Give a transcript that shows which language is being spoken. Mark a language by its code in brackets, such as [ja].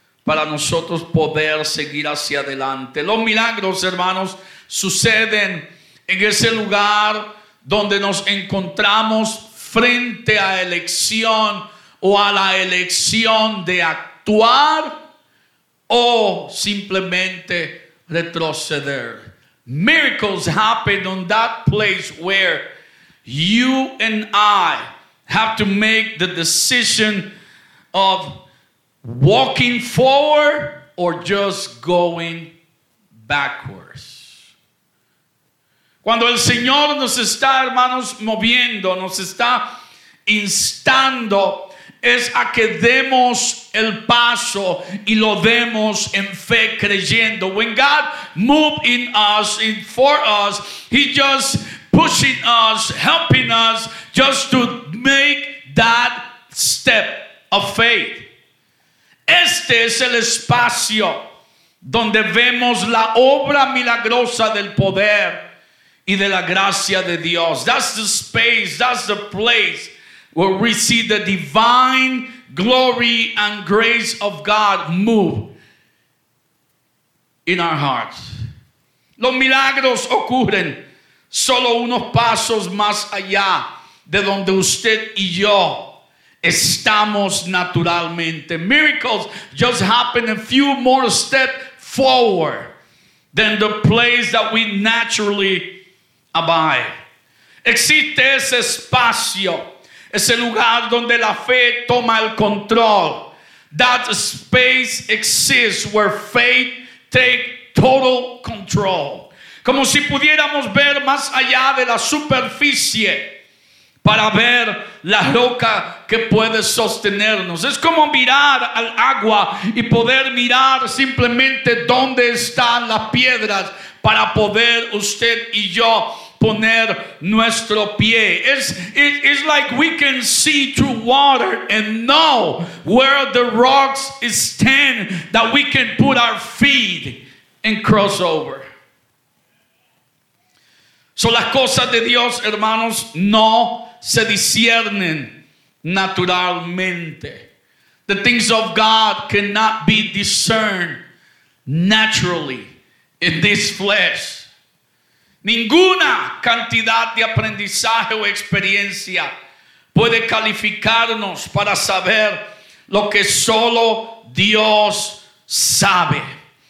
[es] para nosotros poder seguir hacia adelante. Los milagros, hermanos, suceden en ese lugar donde nos encontramos frente a elección o a la elección de actuar o simplemente retroceder. [en] Miracles happen on that place where you and I have to make the decision of walking forward or just going backwards. [es] Cuando el Señor nos está, hermanos, moviendo, nos está instando, es a que demos el paso y lo demos en fe, creyendo. [en] When God moves in us, in for us, He just pushing us, helping us just to make that step of faith. [es] Este es el espacio donde vemos la obra milagrosa del poder y de la gracia de Dios. [en] That's the space, that's the place where we see the divine glory and grace of God move in our hearts. [es] Los milagros ocurren solo unos pasos más allá de donde usted y yo estamos naturalmente. [en] Miracles just happen a few more steps forward than the place that we naturally abide. [es] Existe ese espacio, ese lugar donde la fe toma el control. [en] That space exists where faith takes total control. [es] Como si pudiéramos ver más allá de la superficie para ver la roca que puede sostenernos. Es como mirar al agua y poder mirar simplemente dónde están las piedras para poder usted y yo poner nuestro pie. [en] It's like we can see through water and know where the rocks stand that we can put our feet and cross over. [es] Son las cosas de Dios, hermanos, no se disciernen naturalmente. [en] The things of God cannot be discerned naturally in this flesh. [es] Ninguna cantidad de aprendizaje o experiencia puede calificarnos para saber lo que solo Dios sabe.